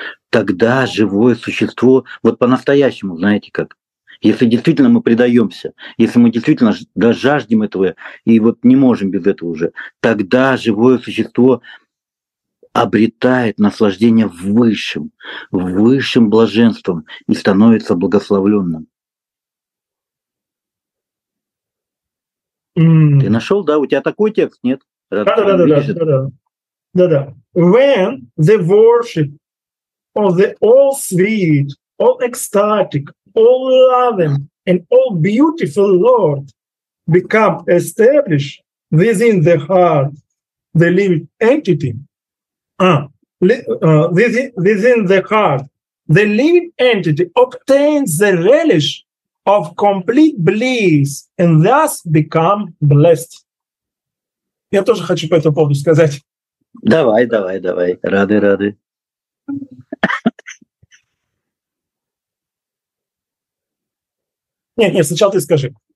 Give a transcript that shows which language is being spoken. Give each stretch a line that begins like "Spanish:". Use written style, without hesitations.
Russian: тогда живое существо, вот по-настоящему, знаете как, если действительно мы предаемся, если мы действительно да, жаждем этого и вот не можем без этого уже, тогда живое существо обретает наслаждение высшим блаженством и становится благословленным. Ты нашел, да? У тебя такой текст, нет? Да.
English: When the worship of the all sweet, all ecstatic, all loving and all beautiful Lord become established within the heart, the living entity, within the heart, the living entity obtains the relish of complete bliss and thus become blessed.
Russian: Я тоже хочу по этому поводу сказать. Давай. Рады. Нет, сначала ты скажи.